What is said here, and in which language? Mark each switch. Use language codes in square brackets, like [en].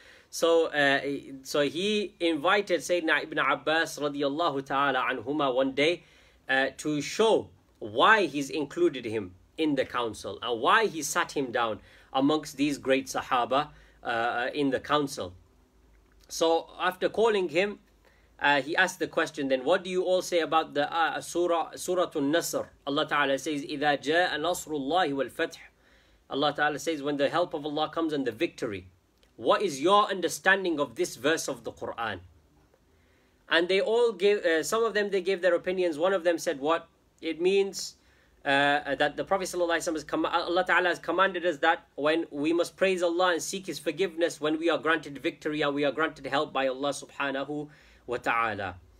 [en] So he invited Sayyidina Ibn Abbas radiallahu ta'ala anhuma one day to show why he's included him in the council and why he sat him down amongst these great Sahaba in the council. So after calling him, he asked the question then, what do you all say about the Surah An-Nasr? Allah Ta'ala says, [ar] إِذَا جَاءَ نَصْرُ اللَّهِ وَالْفَتْحِ. [en] Allah Ta'ala says, when the help of Allah comes and the victory. What is your understanding of this verse of the Quran? And they all gave, some of them, they gave their opinions. One of them said, what? It means that the Prophet Sallallahu Alaihi Wasallam, Allah Ta'ala has commanded us that when we must praise Allah and seek His forgiveness when we are granted victory and we are granted help by Allah Subhanahu wa ta'ala.